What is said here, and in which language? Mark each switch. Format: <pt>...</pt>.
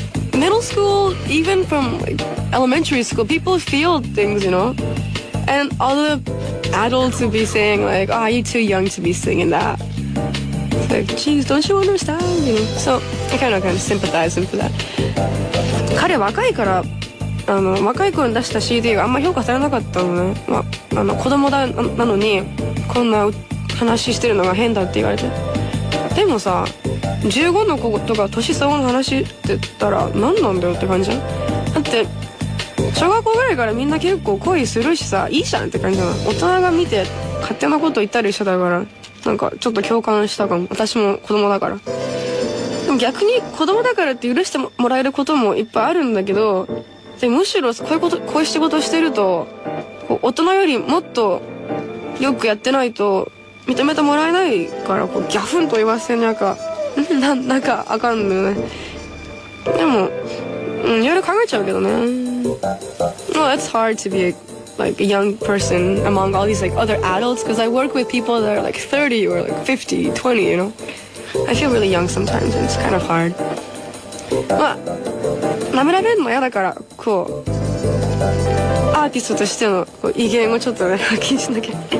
<en>Middle school, even from elementary school, people feel things, you know? And all the adults would be saying, like, oh, you're too young to be singing that. It's like, geez, don't you understand? You know? So I kind of sympathize him for that.</en> <ja>彼は若いから、若い頃に出した CD があんまり評価されなかったのね。まあ、子供だなのに、こんな話してるのが変だって言われて。でもさ、15の子とか年相応の話って言ったら何なんだよって感じじゃん。だって小学校ぐらいからみんな結構恋するしさ、いいじゃんって感じじゃん。大人が見て勝手なこと言ったりしてたから、なんかちょっと共感したかも。私も子供だから。でも逆に子供だからって許してもらえることもいっぱいあるんだけど、でむしろこういう仕事してると、こう大人よりもっとよくやってないと認めてもらえないから、こうギャフンと言わせなきゃなんかあかんのよね。でも、いろいろ考えちゃうけどね。</ja> <en>Well, it's hard to be like a young person among all these like other adults, because I work with people that are like 30 or like 50, 20, you know? I feel really young sometimes, and it's kind of hard.</en> <ja>まあ、なめられるのも嫌だから、こう、アーティストとしてのこう威厳をちょっとね、発揮しなきゃ。</ja>